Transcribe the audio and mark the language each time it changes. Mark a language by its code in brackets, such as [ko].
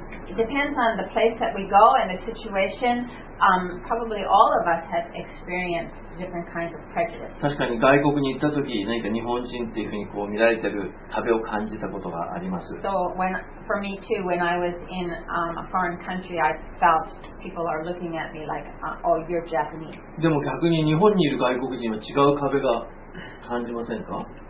[en] It depends on the place that we go and the situation. Probably all of us have experienced different kinds of prejudice. [ja] 確かに外国に行ったとき何か日本人っていうふうにこう見られてる壁を感じたことがあります。 [en] So when for me too, when I was in a foreign country, I felt people are looking at me like, oh, you're Japanese. [ja] でも逆に日本にいる外国人は違う壁が感じませんか？